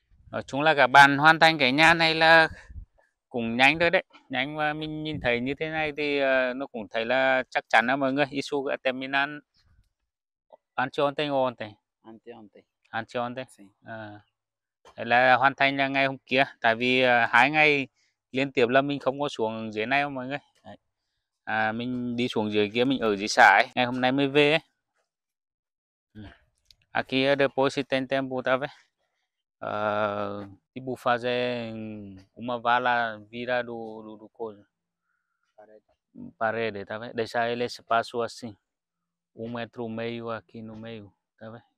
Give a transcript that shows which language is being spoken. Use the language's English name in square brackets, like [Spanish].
[Vietnamese] Nói chung là cả bạn hoàn thành cái nhà này là cũng nhanh thôi đấy, nhanh và mình nhìn thấy như thế này thì nó cũng thấy là chắc chắn đó mọi người. [Portuguese] Isso é terminado anteontem ou ontem? Anteontem. Anteontem. Sim. [Vietnamese] Là hoàn thành ngày hôm kia, tại vì hai ngày liên tiếp là mình không có xuống dưới này mọi người. Mình đi xuống dưới kia, mình ở dưới xã ấy, ngày hôm nay mới về ấy. [Portuguese] Aqui é depois tem tempo, tá vendo? Tipo fazer uma vala vira do coisa. Parede, tá vendo? Deixar ele espaço assim. 1,5 metro aqui no meio, tá vendo?